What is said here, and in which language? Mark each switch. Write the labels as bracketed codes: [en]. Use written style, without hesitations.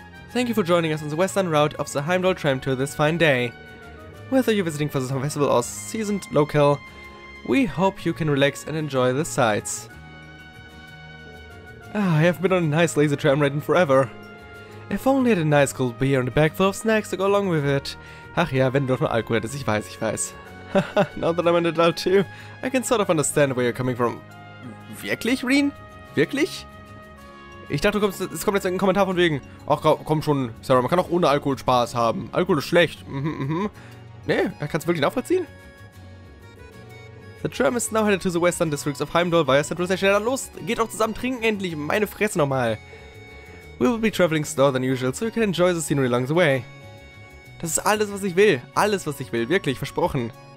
[en] Thank you for joining us on the western route of the Heimdall Tram Tour this fine day. Whether you're visiting for the Summer Festival or seasoned locale. We hope you can relax and enjoy the sights. Ah, I haven't been on a nice laser tram ride in forever. If only I had a nice cold beer and a bag full of snacks to go along with it. [de] Ach ja, wenn du doch nur Alkohol hättest, ich weiß. [en] Haha, now that I'm an adult too, I can sort of understand where you're coming from. [de] Wirklich, Rin? Wirklich? Ich dachte, es kommt jetzt ein Kommentar von wegen, ach komm schon, Sarah, man kann auch ohne Alkohol Spaß haben. Alkohol ist schlecht. Nee, kannst du wirklich nachvollziehen? [en] The tram is now headed to the western districts of Heimdall via Central Station. [de] Dann los, geht doch zusammen trinken endlich, meine Fresse nochmal. [en] We will be traveling slower than usual, so you can enjoy the scenery along the way. [de] Das ist alles was ich will, wirklich, versprochen.